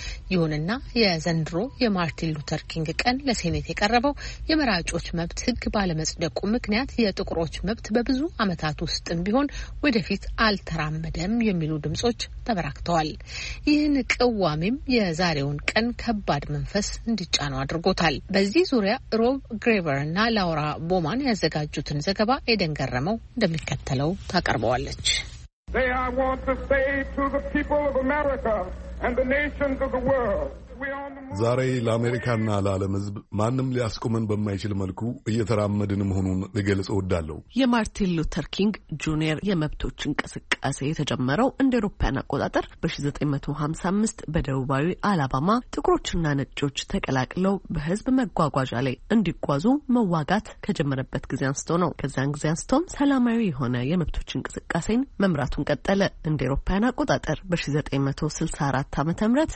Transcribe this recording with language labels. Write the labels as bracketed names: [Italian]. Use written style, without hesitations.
[Amharic] ይሁንና የዘንድሮ የማርቲን ሉተር ኪንግ ቀን ለሴኔት የቀረበው የመራጮች መብት ህግ ባለመጽደቁ ምክንያት የጥቁሮች መብት በብዙ አመታት ውስጥም ቢሆን ወደፊት አልተራመደም የሚሉ ድምጾች ተበራክተዋል። ይህን ቅዋሜም የዛሬውን ቀን ከባድ መንፈስ እንዲጫነው አድርጎታል። በዚህ ዙሪያ ሮብ ግሬቨር እና ላውራ ቦማን ያዘጋጁትን ዘገባ ኤደን ገረመው እንደሚከተለው ታቀርበዋለች። [English] They I want to say to the people of America and the nations of the world. [Amharic] ዛሬ ለአሜሪካና ለዓለም ህዝብ ማንንም ሊያስቆመን በማይችል መልኩ እየተራመድን መሆኑን ልገልጽ ወዳለሁ። የማርቲን ሉተር ኪንግ ጁኒየር የመብቶች እንቅስቃሴ የተጀመረው እንደ አውሮፓውያን አቆጣጠር በ1955 በደቡባዊ አላባማ ጥቁሮችና ነጮች ተቀላቅለው በህዝብ መጓጓዣ ላይ እንዲጓዙ መዋጋት ከጀመረበት ጊዜ አንስቶ ነው። ከዛን ጊዜ አንስቶ ሰላማዊ የሆነ የመብቶች እንቅስቃሴን መምራቱን ቀጠለ። እንደ አውሮፓውያን አቆጣጠር በ1964 ዓ.ም